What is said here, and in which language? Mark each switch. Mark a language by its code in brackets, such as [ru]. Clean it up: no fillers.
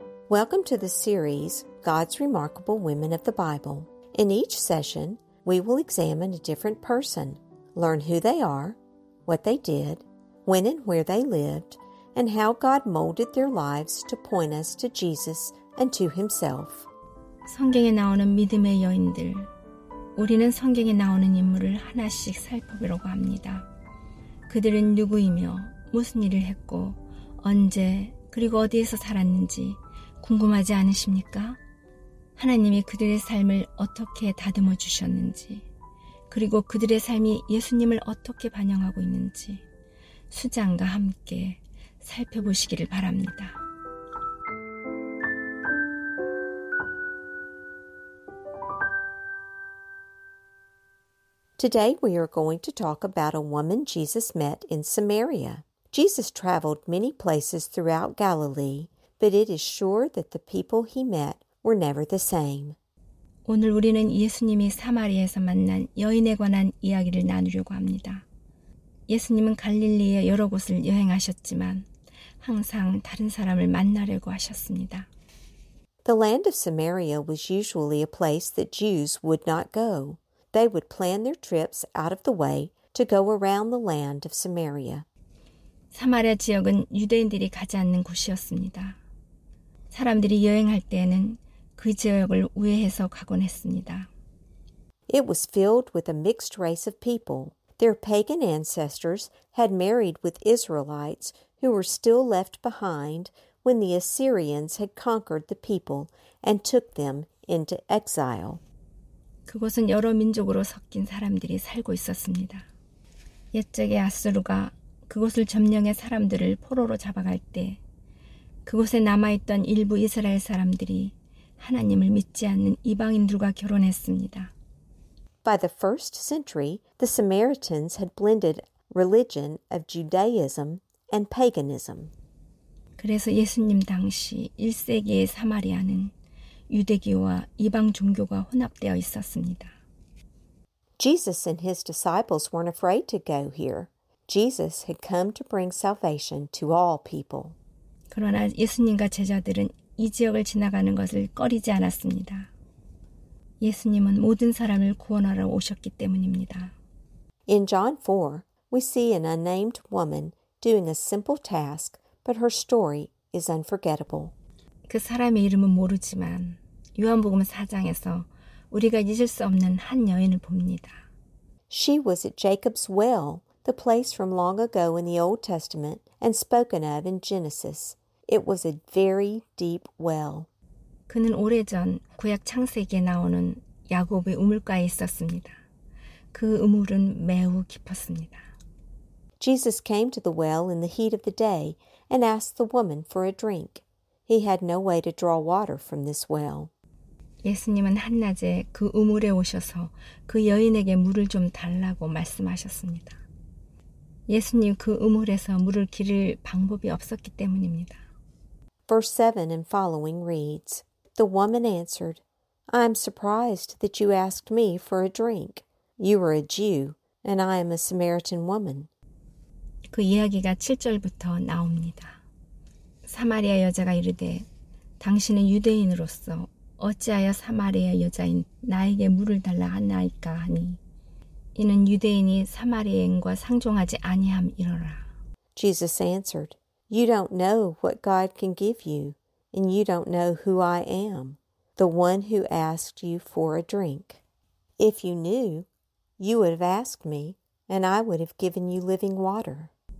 [en] Welcome to the series God's Remarkable Women of the Bible. In each session, we will examine a different person, learn who they are, what they did, when and where they lived, and how God molded their lives to point us to Jesus and to Himself. [ko] 성경에 나오는 믿음의 여인들, 우리는 성경에 나오는 인물을 하나씩 살펴보려고 합니다. 그들은 누구이며 무슨 일을 했고 언제 그리고 어디에서 살았는지 궁금하지 않으십니까? 하나님이 그들의 삶을 어떻게 다듬어 주셨는지 그리고 그들의 삶이 예수님을 어떻게 반영하고 있는지 수장과 함께 살펴보시기를 바랍니다. [en] Today we are going to talk about a woman Jesus met in Samaria. Jesus traveled many places throughout Galilee, but it is sure that the people he met were never the same. [ko] 오늘 우리는 예수님이 사마리아에서 만난 여인에 관한 이야기를 나누려고 합니다. 예수님은 갈릴리의 여러 곳을 여행하셨지만 항상 다른 사람을 만나려고 하셨습니다. [en] The land of Samaria was usually a place that Jews would not go. They would plan their trips out of the way to go around the land of Samaria. [ko] 사마리아 지역은 유대인들이 가지 않는 곳이었습니다. 사람들이 여행할 때에는 그 지역을 우회해서 가곤 했습니다. [en] It was filled with a mixed race of people. Their pagan ancestors had married with Israelites who were still left behind when the Assyrians had conquered the people and took them into exile. [ko] 그곳은 여러 민족으로 섞인 사람들이 살고 있었습니다. 옛적의 아수르가 그곳을 점령해 사람들을 포로로 잡아갈 때 그곳에 남아있던 일부 이스라엘 사람들이 하나님을 믿지 않는 이방인들과 결혼했습니다. [en] By the first century, the Samaritans had blended religion of Judaism and paganism. [ko] 그래서 예수님 당시 1세기의 사마리아는 유대교와 이방 종교가 혼합되어 있었습니다. [en] Jesus and his disciples weren't afraid to go here. Jesus had come to bring salvation to all people. [ko] 그러나 예수님과 제자들은 이 지역을 지나가는 것을 꺼리지 않았습니다. 예수님은 모든 사람을 구원하러 오셨기 때문입니다. [en] In John 4, we see an unnamed woman doing a simple task, but her story is unforgettable. [ko] 그 사람의 이름은 모르지만 요한복음 4장에서 우리가 잊을 수 없는 한 여인을 봅니다. [en] She was at Jacob's well, the place from long ago in the Old Testament and spoken of in Genesis. It was a very deep well. [ko] 그는 오래전 구약 창세기에 나오는 야곱의 우물가에 있었습니다. 그 우물은 매우 깊었습니다. [en] Jesus came to the well in the heat of the day and asked the woman for a drink. He had no way to draw water from this well. [ko] 예수님은 한낮에 그 우물에 오셔서 그 여인에게 물을 좀 달라고 말씀하셨습니다. 예수님 그 우물에서 물을 기를 방법이 없었기 때문입니다. [en] Verse 7 and following reads, The woman answered, I am surprised that you asked me for a drink. You are a Jew, and I am a Samaritan woman. [ko] 그 이야기가 7절부터 나옵니다. 사마리아 여자가 이르되 당신은 유대인으로서 어찌하여 사마리아 여자인 나에게 물을 달라 하나이까 하니 이는 유대인이 사마리아인과 상종하지 아니함이로라. [en] Jesus answered, You don't know what God can give you, and you don't know who I am, the one who asked you for a drink. If you knew, you would have asked me, and I would have given you living water.